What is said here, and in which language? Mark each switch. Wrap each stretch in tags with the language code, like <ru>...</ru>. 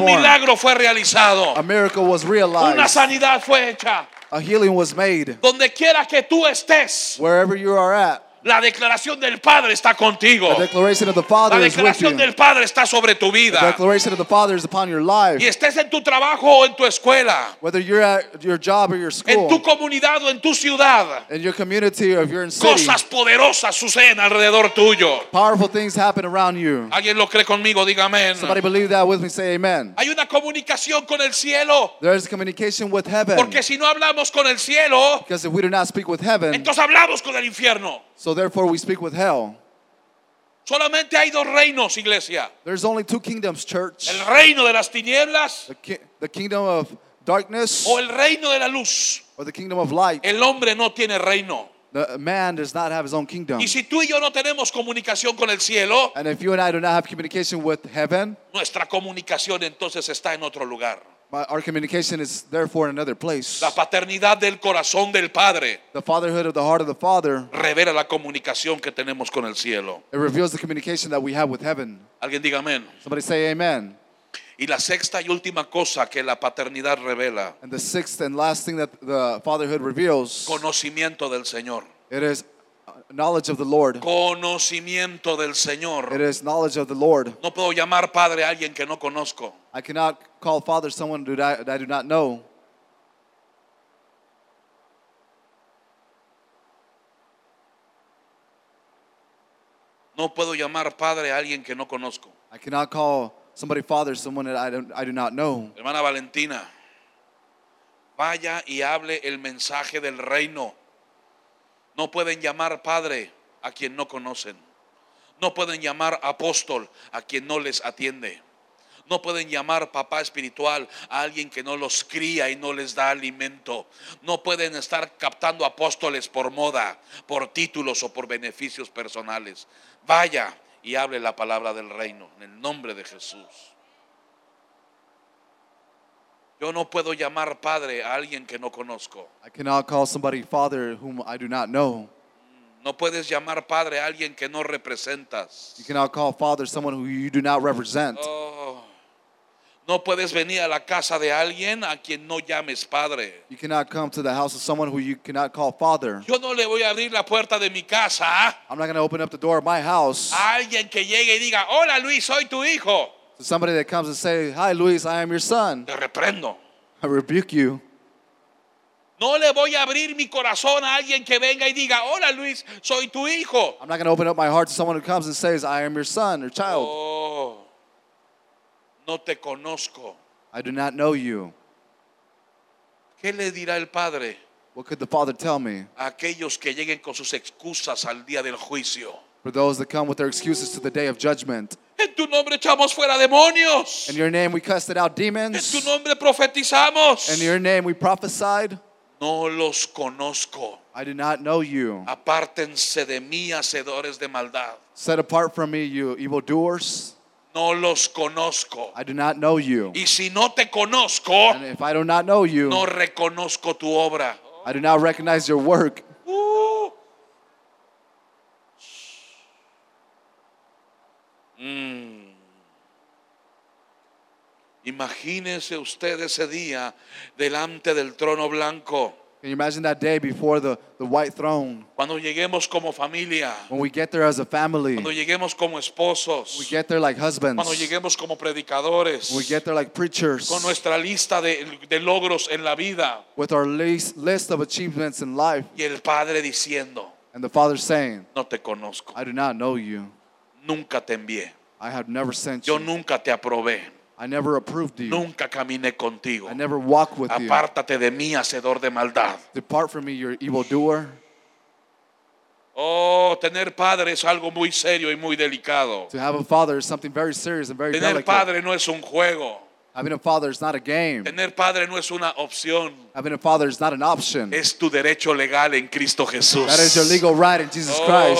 <es>Un milagro fue realizado.</es> <en>A miracle was realized.</en> <es>Una sanidad fue hecha.</es> <en>A healing was made.</en> <es>Donde quiera que tú estés,</es> <en>wherever you are at,</en> <es>la declaración del Padre está contigo.</es> <en>The declaration of the Father</en> <es>la declaración</es> <en>is with</en> <es>del</es> <en>you.</en> <es>Padre está sobre tu vida.</es> <en>The declaration of the Father is upon your life.</en> <es>Y estés en tu trabajo o en tu escuela.</es> <en>Whether you're at your job or your school.</en> <es>En tu comunidad o en tu ciudad.</es> <en>In your community or if you're in city.</en> <es>Cosas poderosas suceden alrededor tuyo.</es> <en>Powerful things happen around you.</en> <es>Alguien lo cree conmigo, diga amén.</es> <en>Somebody believe that with me, say amen.</en> <es>Hay una comunicación con el cielo.</es> <en>There is communication with heaven.</en> <es>Porque si no hablamos con el cielo.</es> <en>Because if we do not speak with heaven.</en> <es>Entonces hablamos con el infierno.</es> <en>So therefore we speak with hell.</en> <es>Solamente hay dos reinos, iglesia.</es> <en>There's only two kingdoms, church.</en> <es>El reino de las tinieblas.</es> <en>The kingdom of darkness.</en> <es>O el reino de la luz.</es> <en>Or the kingdom of light.</en> <es>El hombre no tiene reino.</es> <en>The man does not have his own kingdom.</en> <es>Y si tú y yo no tenemos comunicación con el cielo,</es> <en>and if you and I do not have communication with heaven,</en> <es>nuestra comunicación entonces está en otro lugar.</es> <en>Our communication is therefore in another place.</en> <es>La paternidad del corazón del Padre.</es> <en>The fatherhood of the heart of the Father.</en> <es>Revela la comunicación que tenemos con el cielo.</es> <en>It reveals the communication that we have with heaven.</en> <es>Alguien diga amén.</es> <en>Somebody say amen.</en> <es>Y la sexta y última cosa que la paternidad revela.</es> <en>And the sixth and last thing that the fatherhood reveals.</en> <es>Conocimiento del Señor.</es> <en>It is knowledge of the Lord.</en> <es>Conocimiento del Señor.</es> <en>It is knowledge of the Lord.</en> <es>No puedo llamar padre a alguien que no conozco.</es> <en>I cannot call father someone that I do not know.</en> <es>No puedo llamar padre a alguien que no conozco.</es> <en>I cannot call somebody father someone that I do not know.</en> <es>Hermana Valentina, vaya y hable el mensaje del reino. No pueden llamar padre a quien no conocen. No pueden llamar apóstol a quien no les atiende. No pueden llamar papá espiritual a alguien que no los cría y no les da alimento. No pueden estar captando apóstoles por moda, por títulos o por beneficios personales. Vaya y hable la palabra del reino en el nombre de Jesús. Yo no puedo llamar padre a alguien que no conozco.</es> <en>I cannot call somebody father whom I do not know.</en> <es>No puedes llamar padre a alguien que no representas.</es> <en>You cannot call father someone who you do not represent.</en> <es>No puedes venir a la casa de alguien a quien no llames padre.</es> <en>You cannot come to the house of someone who you cannot call father.</en> <es>Yo no le voy a abrir la puerta de mi casa.</es> <en>I'm not going to open up the door of my house.</en> <es>A alguien que llegue y diga, hola Luis, soy tu hijo.</es> <en>To somebody that comes and says, hi Luis, I am your son.</en> <es>Te reprendo.</es> <en>I rebuke you.</en> <es>No le voy a abrir mi corazón a alguien que venga y diga, hola Luis, soy tu hijo.</es> <en>I'm not going to open up my heart to someone who comes and says, I am your son or child.</en> <es>No te conozco.</es> <en>I do not know you.</en> <es>¿Qué le dirá el padre?</es> <en>What could the father tell me?</en> <es>A aquellos que lleguen con sus excusas al día del juicio.</es> <en>For those that come with their excuses to the day of judgment.</en> <es>En tu nombre echamos fuera demonios.</es> <en>In your name we casted out demons.</en> <es>En tu nombre profetizamos.</es> <en>In your name we prophesied.</en> <es>No los conozco.</es> <en>I do not know you.</en> <es>Apártense de mí, hacedores de maldad.</es> <en>Set apart from me, you evildoers.</en> <es>No los conozco.</es> <en>I do not know you.</en> <es>Y si no te conozco,</es> <en>and if I do not know you,</en> <es>no reconozco tu obra.</es> <en>I do not recognize your work.</en> <es>Imagínese usted ese día delante del trono blanco.</es> <en>Can you imagine that day before the white throne?</en> <es>Cuando lleguemos como familia.</es> <en>When we get there as a family.</en> <es>Cuando lleguemos como esposos.</es> <en>We get there like husbands.</en> <es>Cuando lleguemos como predicadores.</es> <en>When we get there like preachers.</en> <es>Con nuestra lista de logros en la vida.</es> <en>With our list of achievements in life.</en> <es>Y el padre diciendo.</es> <en>And the father saying.</en> <es>No te conozco.</es> <en>I do not know you.</en> <es>Nunca te envié.</es> <en>I have never sent</en> <es>yo</es> <en>you.</en> <es>Yo nunca te aprobé.</es> <en>I never approved you.</en> <es>Nunca caminé contigo.</es> <en>I never walked with</en> <es>apártate</es> <en>you.</en> <es>De mí, hacedor de maldad.</es> <en>Depart from me, you evil doer.</en> <es>Oh, tener padre es algo muy serio y muy delicado.</es> <en>To have a father is something very serious and very</en> <es>tener</es> <en>delicate.</en> <es>Tener padre no es un juego.</es> <en>Having a father is not a game.</en> <es>Tener padre no es una opción.</es> <en>Having a father is not an option.</en> <es>Es tu derecho legal en Cristo Jesús.</es> <en>That is your legal right in Jesus Christ.</en>